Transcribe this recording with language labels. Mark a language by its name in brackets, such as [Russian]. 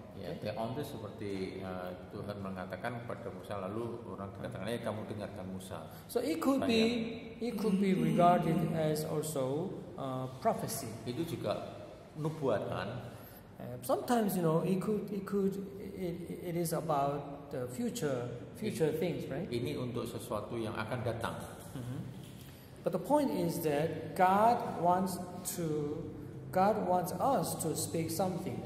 [Indonesian] Theon itu seperti Tuhan mengatakan kepada Musa, lalu orang katakan, "Hey, kamu dengarkan Musa." [English] So it could be, it could be regarded as also prophecy. [Indonesian] Itu juga nubuatan. [English] Sometimes, you know, it could, it could, it, it is about the future, future [Indonesian] ini, [English] things, right? [Indonesian] Ini untuk sesuatu yang akan datang. [English] But the point is that God wants to, God wants us to speak something.